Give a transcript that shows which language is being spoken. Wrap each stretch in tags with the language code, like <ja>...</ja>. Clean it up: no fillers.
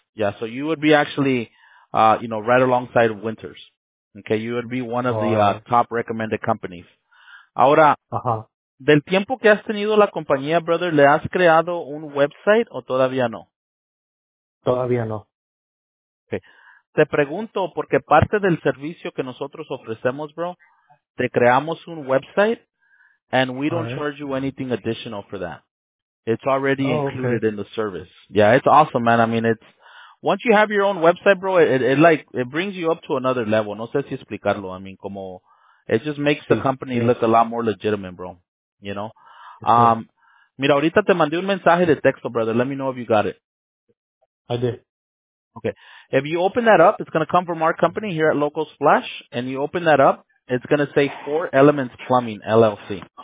<en>Yeah, so you would be actually, you know, right alongside Winters. Okay, you would be one of the top recommended companies.</en> <es>Ahora, del tiempo que has tenido la compañía, brother, ¿le has creado un website o todavía no? Todavía no. Okay. Te pregunto, porque parte del servicio que nosotros ofrecemos, bro, te creamos un website</es> <en>and we don't charge you anything additional for that. It's already included in the service. Yeah, it's awesome, man. I mean, it's... Once you have your own website, bro, it brings you up to another level.</en> <es>No sé si explicarlo.</es> <en>I mean, como, it just makes the company look a lot more legitimate, bro. You know?</en> <es>Mira, ahorita te mandé un mensaje de texto, brother.</es> <en>Let me know if you got it. I did. Okay. If you open that up, it's going to come from our company here at Local Splash. And you open that up, it's going to say Four Elements Plumbing, LLC.</en>